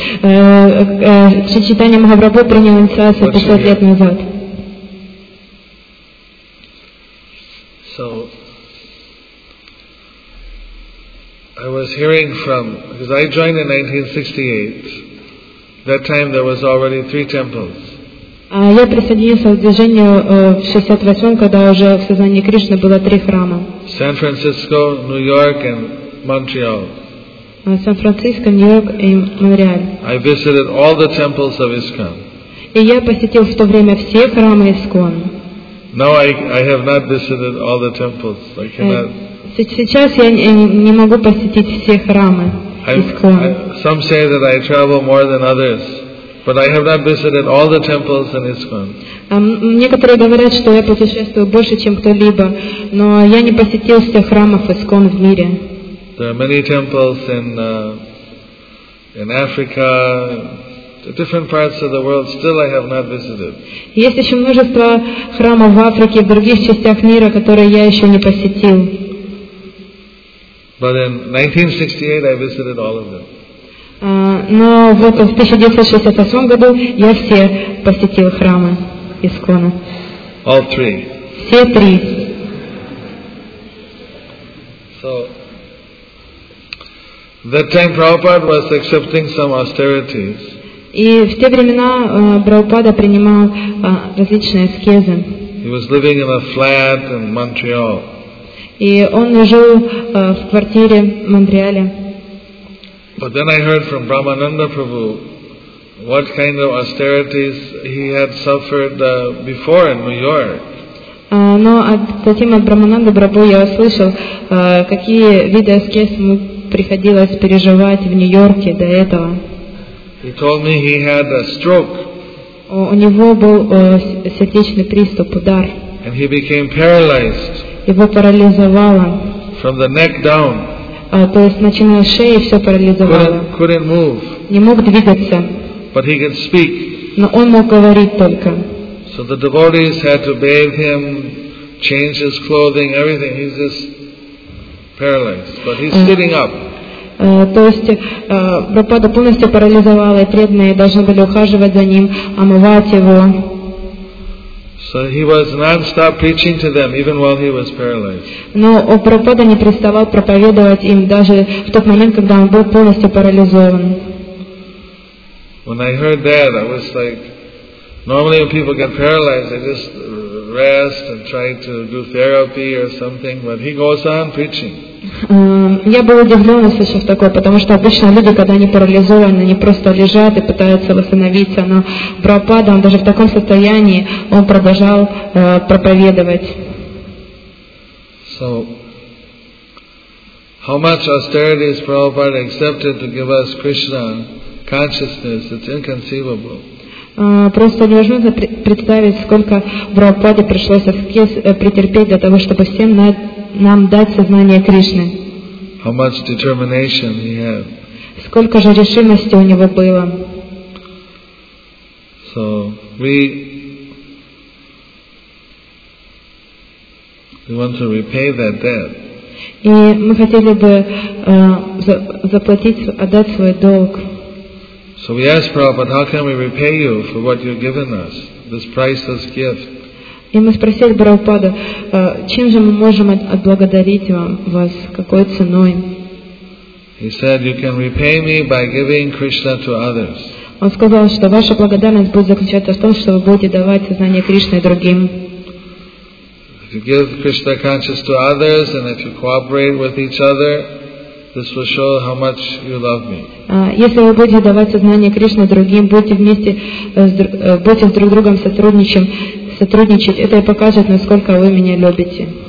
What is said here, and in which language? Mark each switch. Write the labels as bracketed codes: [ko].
[ru] Чайтанья Махапрабху принял инициацию 500 лет назад. [en] So, I was hearing from, because I joined in 1968. That time there was already 3 temples. [ru] Я присоединился к движению в 68-м, когда уже в сознании Кришны было 3 храма. Сан-Франциско, Нью-Йорк и Монреаль. Сан-Франциско, Нью-Йорк и Монреаль. [en] I visited all the temples of ISKCON. [ru] И я посетил в то время все храмы ИСККОН. [en] Now I have not visited all the temples. I cannot. [ru] Сейчас я не могу посетить все храмы ИСККОН. [en] Some say that I travel more than others. But I have not visited all the temples in ISKCON. [ru] Некоторые говорят, что я путешествую больше, чем кто-либо, но я не посетил всех храмов ИСККОН в мире. [en] There are many temples in Africa, different parts of the world. Still, I have not visited. [ru] Есть еще множество храмов в Африке, в других частях мира, которые я еще не посетил. [en] But in 1968, I visited all of them. [ru] Но вот в 1968 году я все посетил храмы ИСККОНа. [en] All three. [ru] Все три. [en] So, that time Prabhupada was accepting some austerities. [ru] И в те времена Прабхупада принимал различные аскезы. [en] He was living in a flat in Montreal. [ru] И он жил в квартире в Монреале. [en] But then I heard from Brahmananda Prabhu what kind of austerities he had suffered before in New York. [ru] Но затем от Брамананды Прабху я услышал, какие виды аскез ему приходилось переживать в Нью-Йорке до этого. [en] He told me he had a stroke. [ru] У него был сердечный приступ, удар. [en] And he became paralyzed. [ru] Его парализовало. [en] From the neck down. [ru] То есть начиная с шеи все парализовало. [en] Couldn't move. [ru] Не мог двигаться. [en] But he could speak. [ru] Но он мог говорить только. [en] So the devotees had to bathe him, change his clothing, everything. He's just paralyzed. But he's sitting up. [ru] То есть Прабхупада полностью парализовала, и преданные должны были ухаживать за ним, омывать его. [en] So he was non-stop preaching to them even while he was paralyzed. [ru] Но Прабхупада не переставал проповедовать им даже в тот момент, когда он был полностью парализован. [en] When I heard that, I was like, normally when people get paralyzed, they just rest and trying to do therapy or something, but he goes on preaching. [ru] Я был удивлен, услышав такое, потому что обычно люди, когда они парализованы, они просто лежат и пытаются восстановиться, но Прабхупада, он даже в таком состоянии, он продолжал проповедовать. [en] So, how much austerity is Prabhupada accepted to give us Krishna consciousness? It's inconceivable. [ru] Просто невозможно представить, сколько Прабхупаде пришлось аскез претерпеть для того, чтобы всем нам дать сознание Кришны. [en] How much determination he had. [ru] Сколько же решимости у него было. [en] So we want to repay that debt. [ru] И мы хотели бы заплатить, отдать свой долг. [en] So we ask Prabhupada, how can we repay you for what you've given us, this priceless gift? [ru] И мы спросили Прабхупаду, чем же мы можем отблагодарить вас, какой ценой? [en] He said, you can repay me by giving Krishna to others. [ru] Он сказал, что ваша благодарность будет заключаться в том, что вы будете давать сознание Кришны другим. [en] If you give Krishna consciousness to others and if you cooperate with each other, this will show how much you love me. [ru] Если вы будете давать сознание Кришны другим, будете вместе, будете друг с другом сотрудничать, это и покажет, насколько вы меня любите.